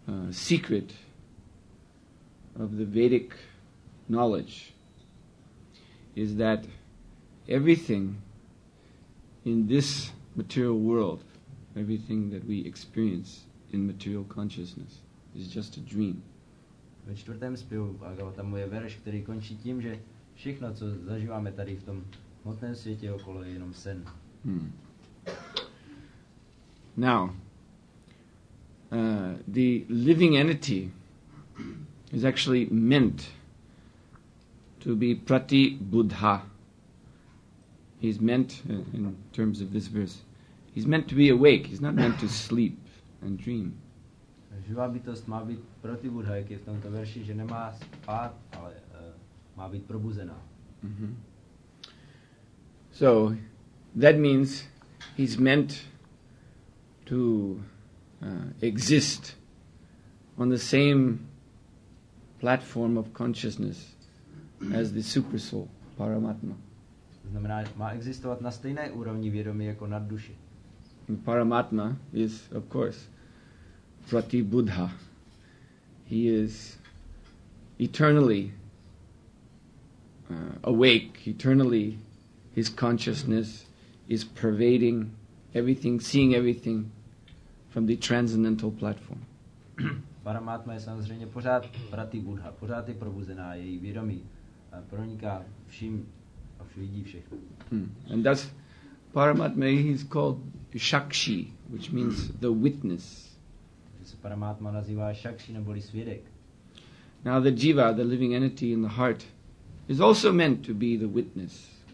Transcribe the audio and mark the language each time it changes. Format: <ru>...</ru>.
<en>secret of the Vedic knowledge is that everything in this material world, everything that we experience in material consciousness is just a dream.</en> <cs>Ve čtvrtém zpěvu Bhagavatamu je verš, který končí tím, že všechno, co zažíváme tady v tom hmotném světě okolo, je jenom sen.</cs> <en>Now, the living entity is actually meant to be pratibuddha. He's meant, in terms of this verse, he's meant to be awake. He's not meant to sleep and dream.</en> <cs>Živá bytost má být pratibuddha, jak je v tomto verši, že nemá spát, ale má být probuzená.</cs> <en>So, that means he's meant to exist on the same platform of consciousness as the super soul, Paramatma.</en> <cs>To znamená, má existovat na stejné úrovni vědomí jako nad duši.</cs> <en>Paramatma is, of course, Pratibuddha. He is eternally awake, eternally his consciousness is pervading everything, seeing everything from the transcendental platform.</en> <cs>Paramatma je samozřejmě pořád pratibuddha, pořád je probuzená, její vědomí proniká vším a vidí všechno.</cs> <en>And thus Paramatma is called Shakshi, which means the witness.</en> <cs>Paramatma nazývá Shakshi neboli svědek.</cs> <en>Now the jiva, the living entity in the heart, is also meant to be the witness.</en>